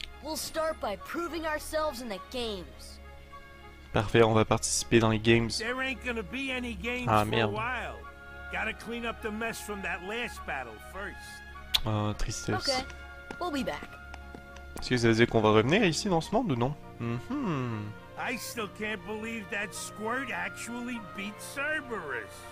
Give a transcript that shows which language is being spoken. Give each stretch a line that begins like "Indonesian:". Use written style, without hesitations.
English: We'll start by proving ourselves in the games.
French: Parfait, on va participer dans les games.
English: There ain't gonna be any games for a while.
French: Ah merde.
English: Gotta clean up the mess from that last battle first. Oh, tristesse. Okay. We'll be back.
French: Est-ce que ça veut dire qu'on va revenir ici dans ce monde ou non?
English: I still can't believe that Squirt actually beat Cerberus.